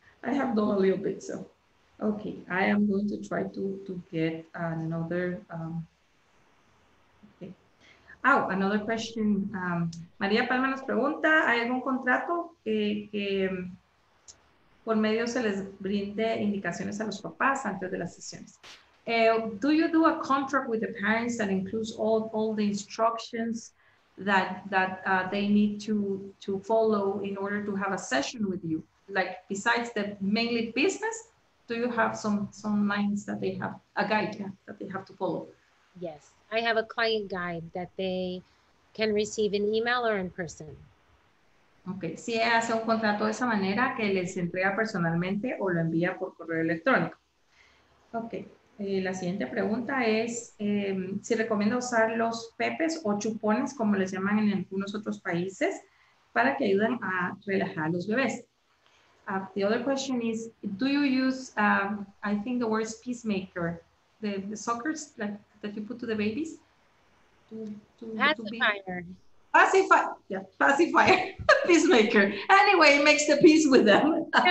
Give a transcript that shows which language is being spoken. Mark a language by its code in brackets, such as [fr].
[en] I have done a little bit, so okay. I am going to try to get another. Oh, another question. [es] María Palma nos pregunta, ¿hay algún contrato que por medio se les brinde indicaciones a los papás antes de las sesiones? [en] Do you do a contract with the parents that includes all the instructions that they need to follow in order to have a session with you? Like besides the mainly business, do you have some lines that they have a guide, yeah, that they have to follow? Yes, I have a client guide that they can receive in email or in person. [es] Okay, si ella hace un contrato de esa manera que les entrega personalmente o lo envía por correo electrónico. Okay, la siguiente pregunta es si recomienda usar los pepes o chupones, como les llaman en algunos otros países, para que ayuden a relajar a los bebés. [en] The other question is, do you use, I think the word is peacemaker, the suckers that you put to the babies? To be. Pacifier. Pacifier. Yeah, pacifier. Peacemaker. Anyway, it makes the peace with them.